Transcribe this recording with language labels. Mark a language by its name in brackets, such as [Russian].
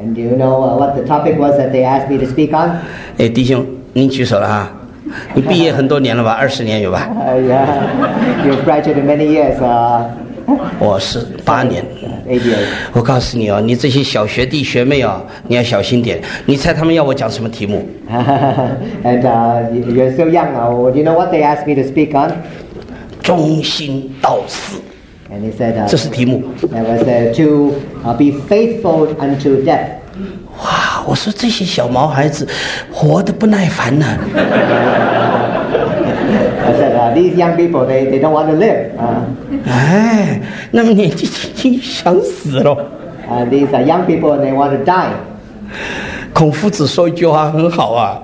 [English] And do you know what the topic was that they asked me to speak on? [Chinese] 哎，弟兄，您举手了哈，你毕业很多年了吧？二十年有吧？ [English] 哎呀， you've graduated many years. [Chinese] 我是八年。我告诉你哦，你这些小学弟学妹哦，你要小心点。你猜他们要我讲什么题目？ [English] And you're so young. Do you know what they asked me to speak on? [Chinese] 忠心到死。 [English] And he said, [Chinese] 这是题目。 [English] That was to be faithful unto death. [Chinese] 哇，我说这些小毛孩子活得不耐烦呢。 [English] I said, these young people, they don't want to live. [Chinese] 哎，那么年纪轻轻想死了。 [English] These are young people, they want to die. [Chinese] 孔夫子说一句话很好啊。